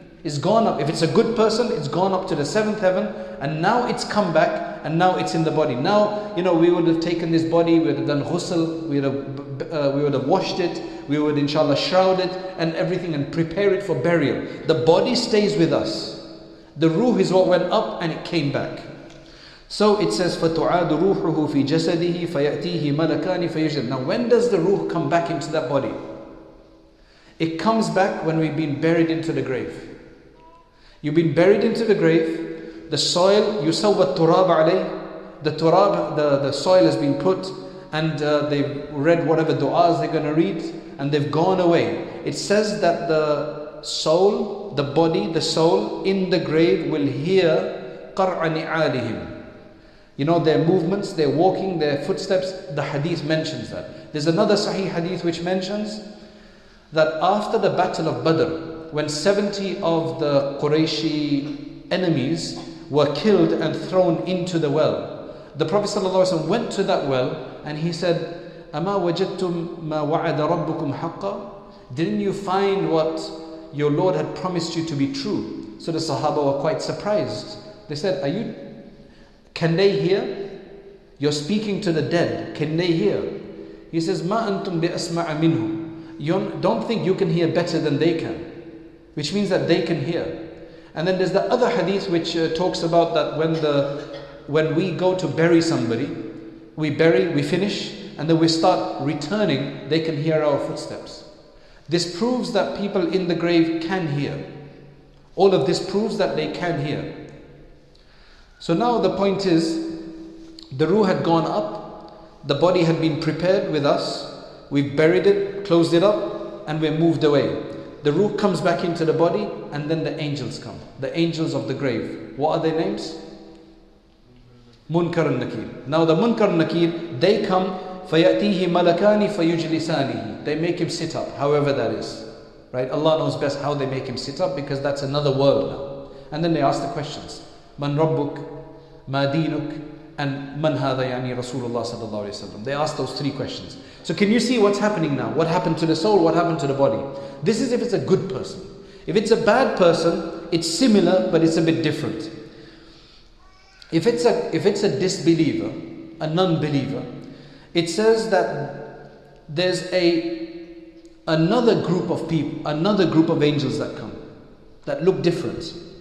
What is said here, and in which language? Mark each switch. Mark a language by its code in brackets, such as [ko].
[en] It's gone up. If it's a good person, it's gone up to the seventh heaven, and now it's come back, and now it's in the body. Now, we would have taken this body, we would have done ghusl, we would have washed it, we would inshallah shroud it and everything and prepare it for burial. The body stays with us. The ruh is what went up and it came back. So it says, [ar] فَتُعَادُ رُوحُهُ فِي جَسَدِهِ فَيَأْتِيهِ مَلَكَانِ فَيَجْرِ. [en] Now when does the ruh come back into that body? It comes back when we've been buried into the grave. You've been buried into the grave, the soil, you saw what turab alayh, the turab, the soil has been put, and they've read whatever du'as they're going to read, and they've gone away. It says that the soul, the body, the soul in the grave will hear qar'ani alihim. Their movements, their walking, their footsteps, the hadith mentions that. There's another sahih hadith which mentions that after the battle of Badr, when 70 of the Qurayshi enemies were killed and thrown into the well, the Prophet ﷺ went to that well and he said, [ar] أَمَا وَجَدْتُمْ مَا وَعَدَ رَبُّكُمْ حَقًّا. [en] Didn't you find what your Lord had promised you to be true? So the Sahaba were quite surprised. They said, can they hear? You're speaking to the dead. Can they hear? He says, [ar] مَا أَنْتُمْ بِأَسْمَعَ مِنْهُ. [en] You don't think you can hear better than they can. Which means that they can hear. And then there's the other hadith which talks about that when we go to bury somebody, we bury, we finish, and then we start returning, they can hear our footsteps. This proves that people in the grave can hear. All of this proves that they can hear. So now the point is, the ruh had gone up, the body had been prepared with us, we buried it, closed it up, and we moved away. The ruh comes back into the body, and then the angels come. The angels of the grave. What are their names? Munkar and Nakir. Now the Munkar and Nakir, they come, [ar] فَيَأْتِيهِ مَلَكَانِ فَيُجْلِسَانِهِ. [en] They make him sit up, however that is. Right? Allah knows best how they make him sit up, because that's another world now. And then they ask the questions. [ar] مَنْ رَبُّكْ مَا دِينُكْ and مَنْ هَذَا يَعْنِي رَسُولُ اللَّهِ صَلَّى اللَّهُ عَلَيْهِ وَسَلَّمُ. [en] They ask those three questions. So can you see what's happening now? What happened to the soul? What happened to the body? This is if it's a good person. If it's a bad person, it's similar, but it's a bit different. If it's a disbeliever, a non-believer, it says that there's another group of people, another group of angels that come, that look different.